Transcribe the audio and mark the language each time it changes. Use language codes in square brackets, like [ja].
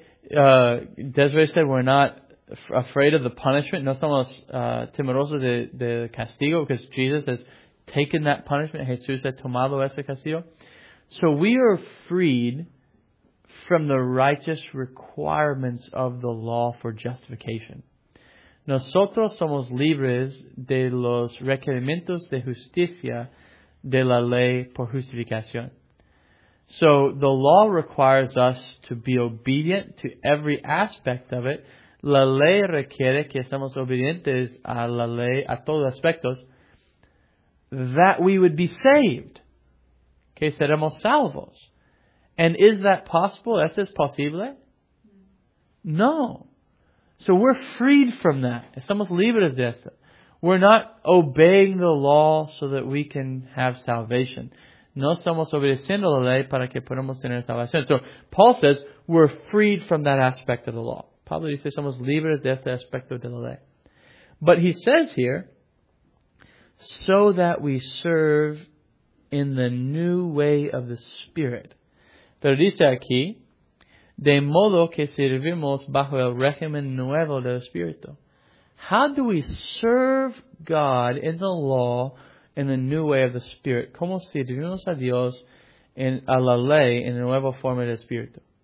[en] Desiree said we're not afraid of the punishment. [es] No somos temerosos de castigo [en] because Jesus has taken that punishment. [es] Jesús ha tomado ese castigo. [en] So we are freed from the righteous requirements of the law for justification. [es] Nosotros somos libres de los requerimientos de justicia de la ley por justificación. [en] So the law requires us to be obedient to every aspect of it. [es] La ley requiere que seamos obedientes a la ley, a todos aspectos, [en] that we would be saved. [es] Que seremos salvos. [en] And is that possible? [es] ¿Eso es posible? No. [en] So we're freed from that. [es] Estamos libres de eso. [en] We're not obeying the law so that we can have salvation. [es] No somos obedeciendo la ley para que podamos tener salvación. [en] So, Paul says, we're freed from that aspect of the law. [es] Pablo dice, somos libres de este aspecto de la ley. [en] But he says here, so that we serve in the new way of the Spirit. [es] Pero dice aquí, de modo que servimos bajo el régimen nuevo del Espíritu. [en] How do we serve God in the law in the new way of the Spirit? [es] ¿Cómo servimos a Dios en a la ley en la nueva forma del Espíritu?